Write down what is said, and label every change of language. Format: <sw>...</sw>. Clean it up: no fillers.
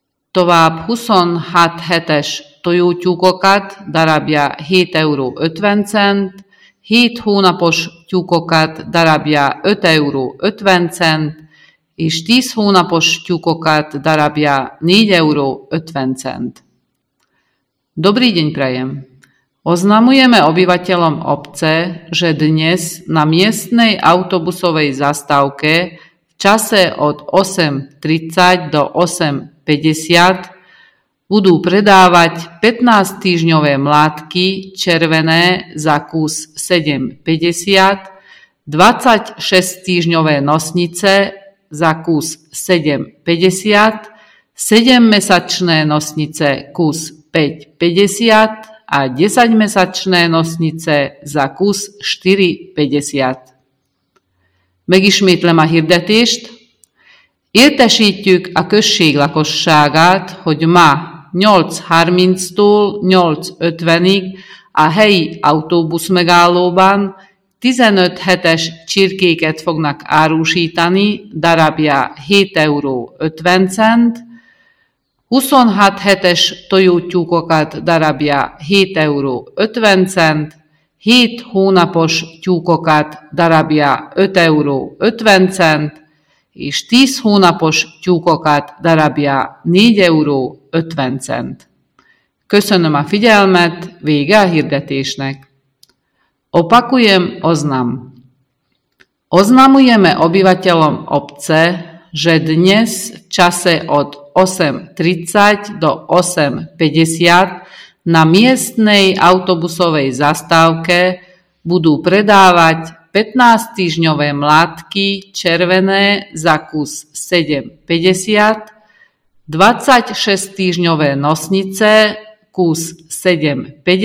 <hu>tovább 26 hetes tojótyúkokat, darabja 7,50 €, 7 hónapos tyúkokat, darabja 5,50 €, és 10 hónapos tyúkokat, darabja 4,50 €.</hu> <sk>Dobrý deň prajem. Oznamujeme obyvateľom obce, že dnes na miestnej autobusovej zastávke v čase od 8.30 do 8.50 budú predávať 15-týždňové mládky červené za kus 7,50, 26-týždňové nosnice za kus 7,50, 7-mesačné nosnice kus 5,50 a 10-mesačné nosnice za kus 4,50.</sk> <hu>Megismétlem a hirdetést. Értesítjük a község lakosságát, hogy ma 8.30-tól 8.50-ig a helyi autóbusz megállóban 15 hetes csirkéket fognak árusítani, darabja 7,50 €, 26 hetes tojótyúkokat, darabja 7,50 €, 7 hónapos tyúkokat, darabja 5,50 €, és 10 hónapos tyúkokat, darabja 4,50 €. Köszönöm a figyelmet, vége a hirdetésnek.</hu> <sk>Opakujem oznam. Oznamujeme obyvateľom obce, že dnes v čase od 8.30 do 8.50 na miestnej autobusovej zastávke budú predávať 15-týždňové mládky červené za kus 7,50, 26-týždňové nosnice kus 7,50,</sk>